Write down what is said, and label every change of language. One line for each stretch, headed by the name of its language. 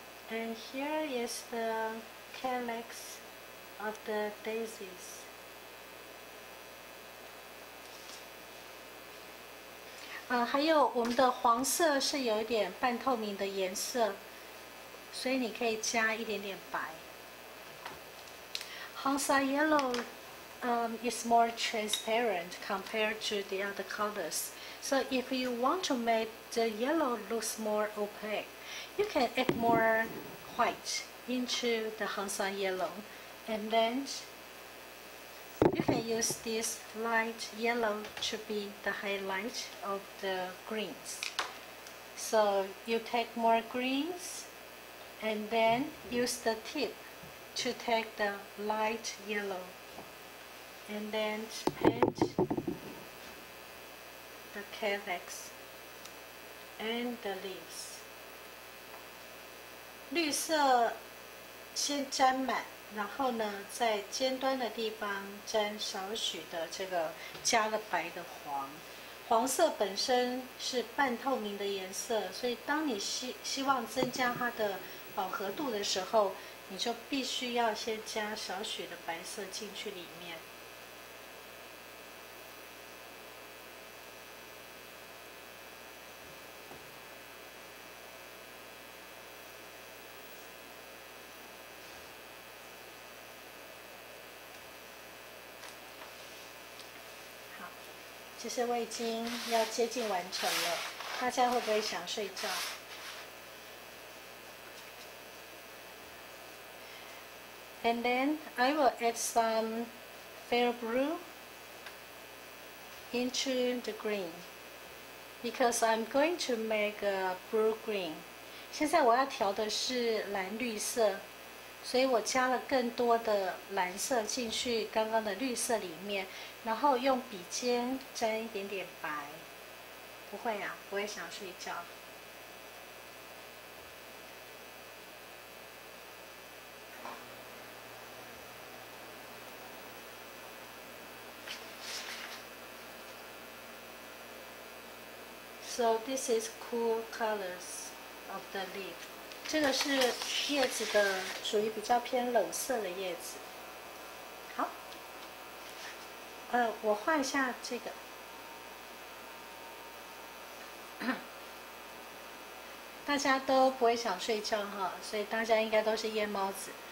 English: And here is the calyx of the daisies.
Chinese: 还有我们的黄色是有一点半透明的颜色，所以你可以加一点点白。
English: Hansa yellow, is more transparent compared to the other colors. So if you want to make the yellow looks more opaque, you can add more white into the Hansa yellow, and then you can use this light yellow to be the highlight of the greens. So you take more greens, and then use the tip to take the light yellow, and then paint the cavex and the leaves.
Chinese: 绿色先沾满，然后呢，在尖端的地方沾少许的这个加了白的黄。黄色本身是半透明的颜色，所以当你希望增加它的饱和度的时候，你就必须要先加少许的白色进去里面。好，其实我已经要接近完成了，大家会不会想睡觉？
English: And then I will add some fair blue into the green because I'm going to make a blue green.
Chinese: 现在我要调的是蓝绿色，所以我加了更多的蓝色进去刚刚的绿色里面，然后用笔尖沾一点点白。不会啊，不会想睡觉。
English: So this is cool colors of the leaf.
Chinese: 这个是叶子的，属于比较偏冷色的叶子。好，我换一下这个。大家都不会想睡觉哈，所以大家应该都是夜猫子。